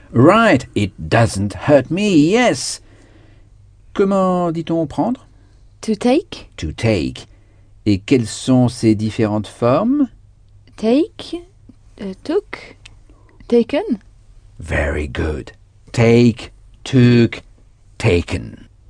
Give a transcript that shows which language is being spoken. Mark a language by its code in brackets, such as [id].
[en] Right, it doesn't hurt me, yes. [fr] Comment dit-on prendre? [en] To take. To take. [fr] Et quelles sont ces différentes formes? [en] Take, took, taken. Very good. Take, took, taken.